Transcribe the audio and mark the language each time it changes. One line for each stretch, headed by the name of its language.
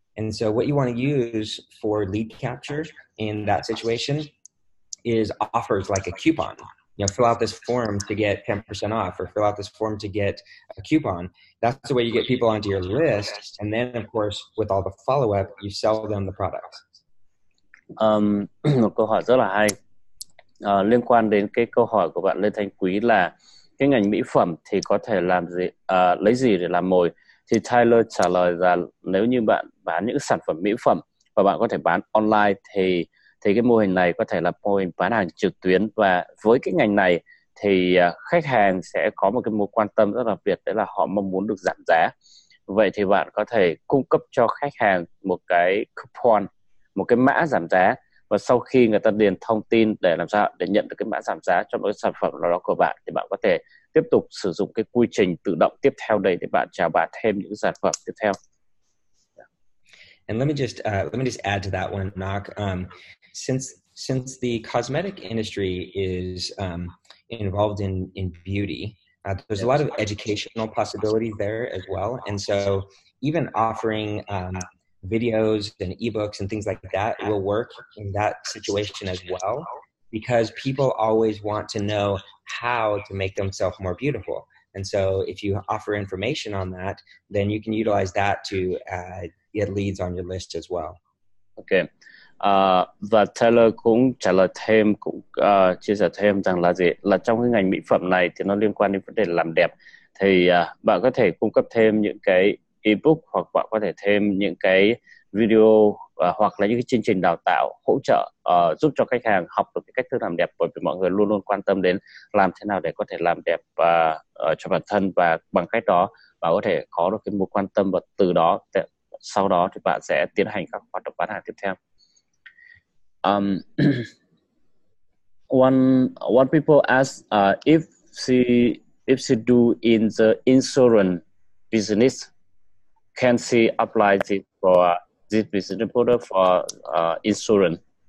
English: And so what you want to use for lead capture in that situation is offers like a coupon. You know, fill out this form to get 10% off or fill out this form to get a coupon. That's the way you get people onto your list. And then, of course, with all the follow-up, you sell them the product.
Vietnamese: Một câu hỏi rất là hay. Liên quan đến cái câu hỏi của bạn Lê Thanh Quý là cái ngành mỹ phẩm thì có thể làm gì, lấy gì để làm mồi? Thì Taylor trả lời là nếu như bạn bán những sản phẩm mỹ phẩm và bạn có thể bán online thì cái mô hình này có thể là mô hình bán hàng trực tuyến và với cái ngành này thì khách hàng sẽ có một cái mối quan tâm rất đặc biệt, đấy là họ mong muốn được giảm giá. Vậy thì bạn có thể cung cấp cho khách hàng một cái coupon, một cái mã giảm giá và sau khi người ta điền thông tin để làm sao để nhận được cái mã giảm giá cho một cái sản phẩm nào đó của bạn thì bạn có thể tiếp tục sử dụng cái quy trình tự động tiếp theo đây để bạn chào bán thêm những sản phẩm tiếp theo.
English: And let me just add to that one, Nock. Since the cosmetic industry is involved in beauty, There's a lot of educational possibilities there as well. And so even offering videos and ebooks and things like that will work in that situation as well, because people always want to know how to make themselves more beautiful. And so if you offer information on that, then you can utilize that to get leads on your list as well. Okay.
Vietnamese: Và Taylor cũng trả lời thêm, cũng chia sẻ thêm rằng là gì? Là trong cái ngành mỹ phẩm này thì nó liên quan đến vấn đề làm đẹp. Thì bạn có thể cung cấp thêm những cái ebook, hoặc bạn có thể thêm những cái video hoặc là những cái chương trình đào tạo hỗ trợ giúp cho khách hàng học được cái cách thức làm đẹp, bởi vì mọi người luôn luôn quan tâm đến làm thế nào để có thể làm đẹp cho bản thân, và bằng cách đó bạn có thể có được cái mối quan tâm, và từ đó sau đó thì bạn sẽ tiến hành các hoạt động bán hàng tiếp theo.
English: One people ask if she do in the insurance business, can she apply it for this business model for insurance?